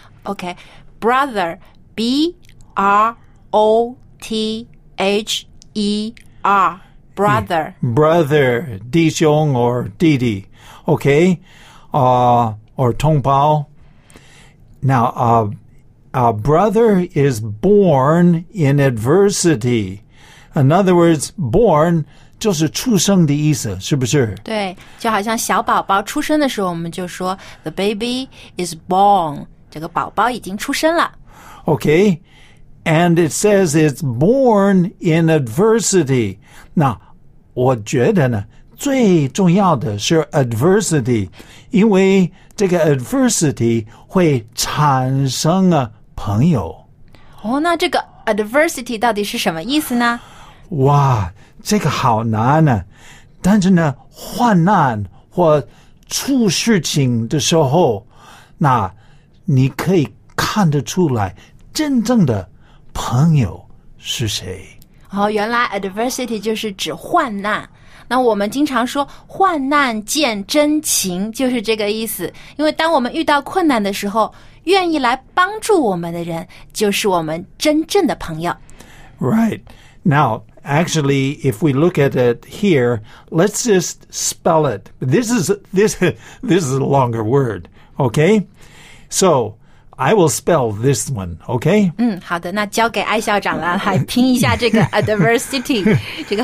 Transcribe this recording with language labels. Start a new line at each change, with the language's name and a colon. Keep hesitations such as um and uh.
English: Okay, brother, B -R -O t h e r brother yeah, brother 弟兄 okay, uh, or 弟弟，OK 啊、uh, or 同胞。 Now a uh, uh, brother is born in adversity. In other words, born.
Chinese: 就是出生的意思，是不是？对，就好像小宝宝出生的时候，我们就说
English: "The baby is born"，
Chinese: 这个宝宝已经出生了。
English: OK，and it says it's born in adversity.
Chinese: 那我觉得呢，最重要的是 adversity，因为这个 adversity 会产生啊朋友。哦，那这个 adversity 到底是什么意思呢？哇！这个好难呢、啊，但是呢，患难或出事情的时候，那你可以看得出来，真正的朋友是谁。哦，oh, 原来 adversity 就是指患难。那我们经常说“患难见真情”，就是这个意思。因为当我们遇到困难的时候，愿意来帮助我们的人，就是我们真正的朋友。
English: Right now. actually, if we look at it here, let's just spell it. This is this this is a longer word. Okay, so I will spell this one. Okay.
Chinese: 嗯，好的，那交给艾校长了，来拼一下这个 adversity